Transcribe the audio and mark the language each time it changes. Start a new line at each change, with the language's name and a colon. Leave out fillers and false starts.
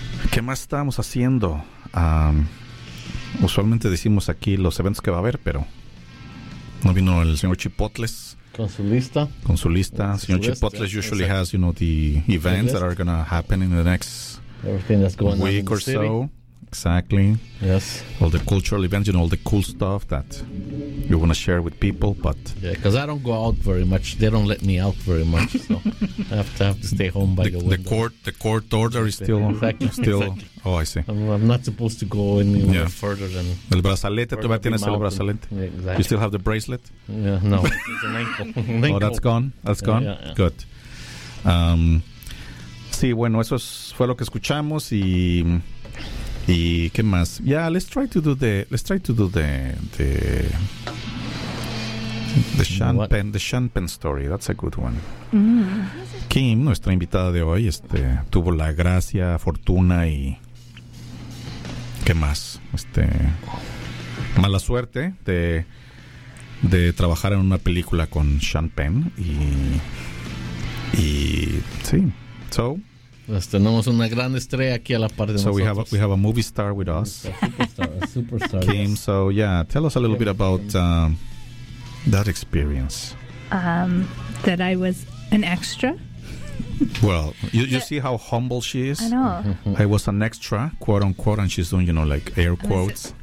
Spanish: ¿Qué más estábamos haciendo? Usualmente decimos aquí los eventos que va a haber, pero no vino el señor Chipotles. Con su lista.
English: El señor Chipotles usually has, you know, the events that are going to happen in the next week or so. Exactly. Yes. All the cultural events, you know, all the cool stuff that you want to share with people, but... Yeah, because I don't go out very much. They don't let me out very much, so I have to stay home by the window. The court order is still... Exactly. Oh, I see. I'm not supposed to go any further than...
Spanish: El brazalete, tú tienes el brazalete.
English: Yeah, exactly. You still have the bracelet? Yeah, no. It's an ankle. Oh, that's gone? That's gone? Yeah. Good.
Spanish: Sí, bueno, eso fue lo que escuchamos y... ¿Y qué más?
English: Yeah, let's try to do the Sean Penn story. That's a good one. Mm-hmm.
Spanish: Kim, nuestra invitada de hoy, tuvo la gracia, fortuna y ¿qué más? Mala suerte de trabajar en una película con Sean Penn y sí. So tenemos una gran estrella aquí a la par de nosotros.
English: So we have a movie star with us. A superstar. Kim, yes. So yeah, tell us a little bit about that experience. That I was an extra. Well, you see how humble she is. I know. I was an extra, quote unquote, and she's doing, you know, like air quotes.